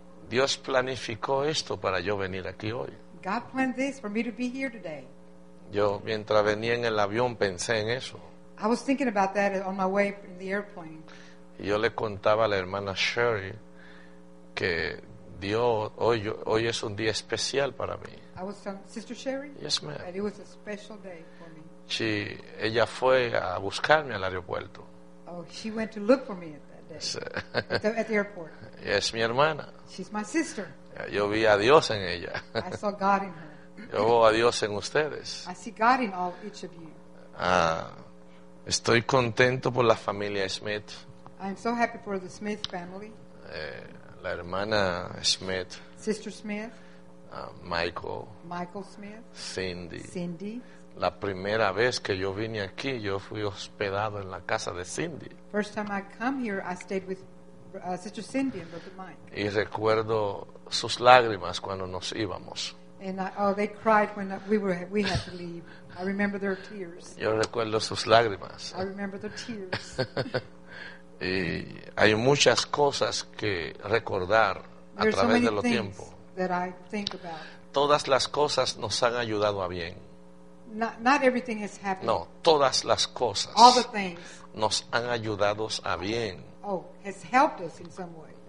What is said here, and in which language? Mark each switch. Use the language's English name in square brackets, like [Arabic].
[Spanish] Dios planificó esto para yo venir aquí hoy. [English] God planned this for me to be here today. [Spanish] Yo mientras venía en el avión pensé en eso. [English] I was thinking about that on my way in the airplane. [Spanish] Yo le contaba a la hermana Sherry que Dios, hoy es un día especial para mí. [English] I was telling Sister Sherry? Yes, ma'am. And it was a special day for me. [Spanish] Sí, ella fue a buscarme al aeropuerto. [English] Oh, she went to look for me at that day. at the airport. Yes, [Spanish] mi hermana. [English] She's my sister. [Spanish] Yo vi a Dios en ella. [English] I saw God in her. [Spanish] Yo veo a Dios en ustedes. [English] I see God in all each of you. [Spanish] Estoy contento por la familia Smith. [English] I'm so happy for the Smith family. [Spanish] La hermana Smith. [English] Sister Smith. Michael. Michael Smith. Cindy. Cindy. [Spanish] La primera vez que yo vine aquí, yo fui hospedado en la casa de Cindy. [English] First time I come here, I stayed with Sister Cindy and Brother Mike. [Spanish] Y recuerdo sus lágrimas cuando nos íbamos. [English] And they cried when we had to leave. I remember their tears. [Spanish] Yo recuerdo sus lágrimas. [English] I remember their tears. [Spanish] Y hay muchas cosas que recordar a través de lo tiempo. [English] That I think about. [Spanish] Todas las cosas nos han ayudado a bien. [English] Not everything has happened. [Spanish] No, todas las cosas. [English] All the things. [Spanish] Nos han ayudado a bien. [English] Oh, has helped us in some way.